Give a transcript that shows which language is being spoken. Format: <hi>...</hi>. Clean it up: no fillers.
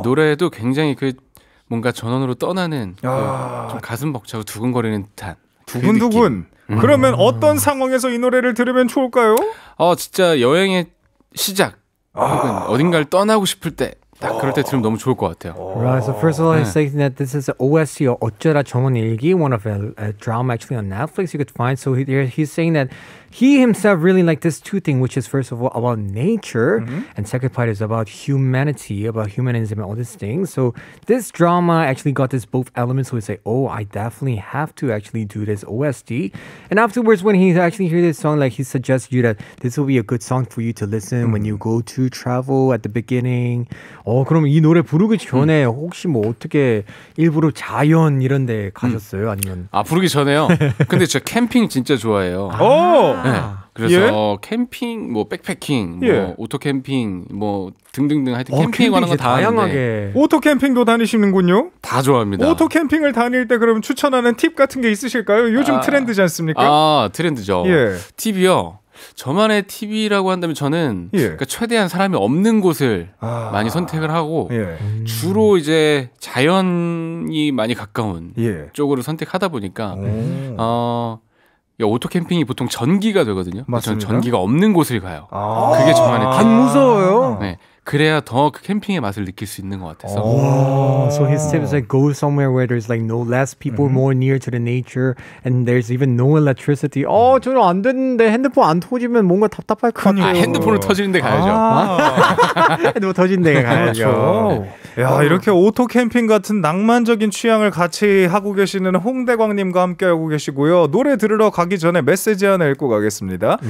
<ko>노래도 굉장히 그 뭔가 전원으로 떠나는 아. 그 좀 가슴 벅차고 두근거리는 듯한 두근두근 그 그러면 어떤 상황에서 이 노래를 들으면 좋을까요? 어, 진짜 여행의 시작 혹은 아. 어딘가를 떠나고 싶을 때 딱 그럴 때 들으면 너무 좋을 것 같아요.</ko> <en>Right, so first of all, I say that this is OST 어쩌다 전원일기, one of a drama actually on Netflix you could find. So he's saying that he himself really liked this two things, which is first of all about nature, and second part is about humanity, about humanism and all these things. So this drama actually got this both elements. So he say, oh, I definitely have to actually do this OST. And afterwards, when he actually hear this song, like he suggests you that this will be a good song for you to listen when you go to travel at the beginning.</en> <ko>어, 그럼 이 노래 부르기 전에 혹시 뭐 어떻게 일부러 자연 이런 데 가셨어요? 아니면 아 부르기 전에요? 근데 저 캠핑 진짜 좋아해요. 오! 네. 그래서 예? 캠핑, 뭐 백패킹, 뭐 예. 오토 캠핑, 뭐 등등등 하여튼 어, 캠핑 관한 건 다 다양하게 하는데. 오토 캠핑도 다니시는군요. 다 좋아합니다. 오토 캠핑을 다닐 때 그럼 추천하는 팁 같은 게 있으실까요? 요즘 아, 트렌드지 않습니까? 아 트렌드죠. 예. 팁이요. 저만의 TV라고 한다면 저는 예. 그러니까 최대한 사람이 없는 곳을 아. 많이 선택을 하고 예. 주로 이제 자연이 많이 가까운 예. 쪽으로 선택하다 보니까 어, 오토 캠핑이 보통 전기가 되거든요. 맞습니까? 저는 전기가 없는 곳을 가요. 아. 그게 저만의 TV. 안 무서워요? 네. 그래야 더 그 캠핑의 맛을 느낄 수 있는 것 같아서.</ko> <en>Oh, so his tip is like go somewhere where there's like no less people, more near to the nature, and there's even no electricity.</en> <ko>어, 저는 안 되는데 핸드폰 안 터지면 뭔가 답답할 것 같아요. 아, 핸드폰을 터지는 데 가야죠. 핸드폰 터지는 데 가야죠. 그렇죠. 야, 이렇게 오토 캠핑 같은 낭만적인 취향을 같이 하고 계시는 홍대광님과 함께하고 계시고요. 노래 들으러 가기 전에 메시지 하나 읽고 가겠습니다.</ko>